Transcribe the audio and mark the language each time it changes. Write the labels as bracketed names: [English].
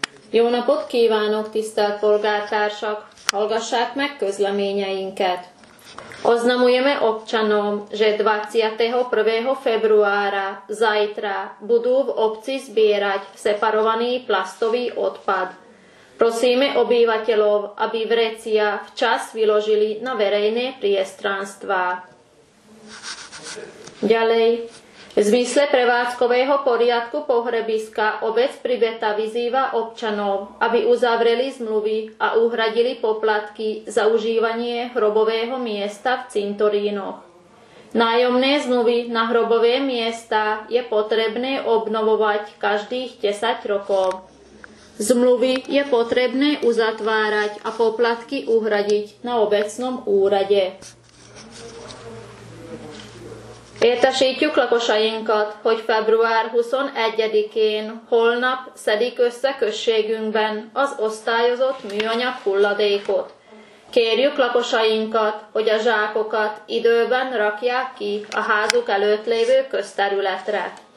[Hungarian] Jóna pod kívánok, tisztelt polgártársak, hallgassák meg közleményeinket. [Slovak] Oznamujeme občanom, že 21. februára zajtra budú v obci zbierať separovaný plastový odpad. Prosíme obyvateľov, aby vrecia včas vyložili na verejné priestranstvá. Ďalej. V zmysle prevádzkového poriadku pohrebiska obec Priveta vyzýva občanov, aby uzavreli zmluvy a uhradili poplatky za užívanie hrobového miesta v cintorínoch. Nájomné zmluvy na hrobové miesta je potrebné obnovovať každých 10 rokov. Zmluvy je potrebné uzatvárať a poplatky uhradiť na obecnom úrade. [Hungarian] Értesítjük lakosainkat, hogy február 21-én holnap szedik össze községünkben az osztályozott műanyag hulladékot. Kérjük lakosainkat, hogy a zsákokat időben rakják ki a házuk előtt lévő közterületre.